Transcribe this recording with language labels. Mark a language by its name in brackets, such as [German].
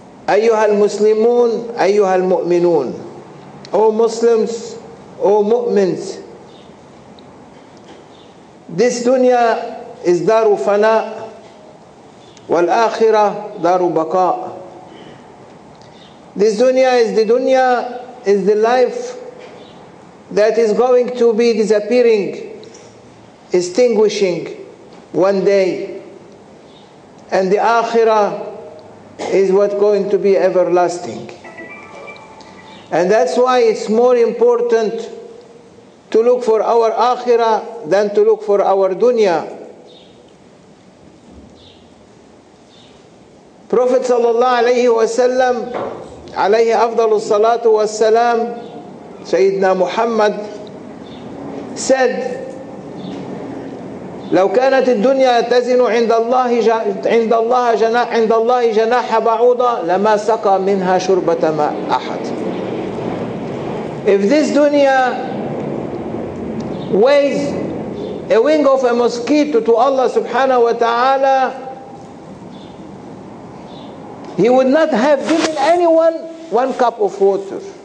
[Arabic] أيها المسلمون أيها المؤمنون أو [English] Muslims [Arabic] أو [English] مؤمنز. This dunya is [Arabic] دار فناء والآخرة دار بقاء. [English] This dunya is the dunya is the life that is going to be disappearing, extinguishing one day. And the آخرة is what going to be everlasting. And that's why it's more important to look for our akhirah than to look for our dunya. Prophet sallallahu alayhi wa sallam, alayhi afdalu salatu wa salam, Sayyidina Muhammad said, [Arabic] لو كانت الدنيا تزن عند الله جناح بعوضة لما سقى منها شربة ماء أحد. [English] If this dunya weighs a wing of a mosquito to Allah subhanahu wa ta'ala, he would not have given anyone one cup of water.